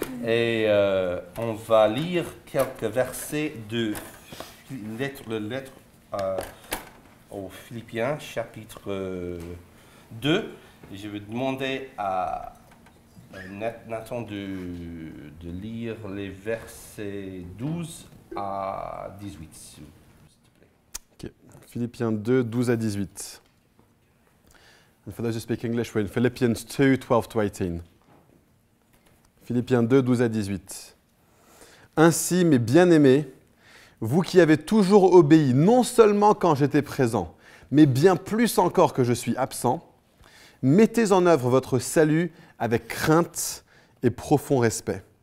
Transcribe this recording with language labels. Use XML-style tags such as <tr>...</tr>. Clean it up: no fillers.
<fr>Et on va lire quelques versets de la lettre aux Philippiens, chapitre 2. Je vais demander à Nathan de lire les versets 12 à 18, s'il te plaît. Ok. Philippiens 2, 12 à 18.</fr> <en>And for those who speak English, we're in Philippians 2, 12 to 18.</en> <fr>Philippiens 2, 12 à 18. Ainsi, mes bien-aimés, vous qui avez toujours obéi, non seulement quand j'étais présent, mais bien plus encore que je suis absent, mettez en œuvre votre salut avec crainte et profond respect.</fr>